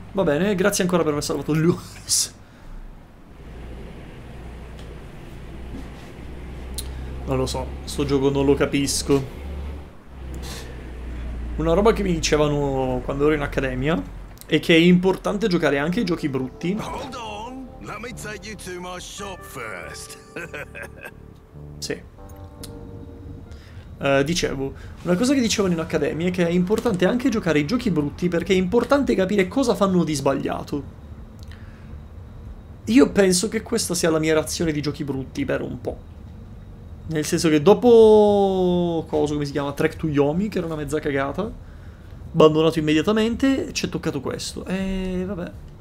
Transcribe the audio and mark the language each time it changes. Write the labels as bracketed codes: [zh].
[it] Va bene, grazie ancora per aver salvato Lucas. Non lo so, sto gioco non lo capisco. Una roba che mi dicevano quando ero in accademia è che è importante giocare anche i giochi brutti. [en] Hold on, let me take you to my shop first. [it] Sì. Dicevo, una cosa che dicevano in accademia è che è importante anche giocare i giochi brutti perché è importante capire cosa fanno di sbagliato. Io penso che questa sia la mia razione di giochi brutti per un po'. Nel senso che dopo... cosa, come si chiama? Trek to Yomi, che era una mezza cagata, abbandonato immediatamente, ci è toccato questo. E vabbè.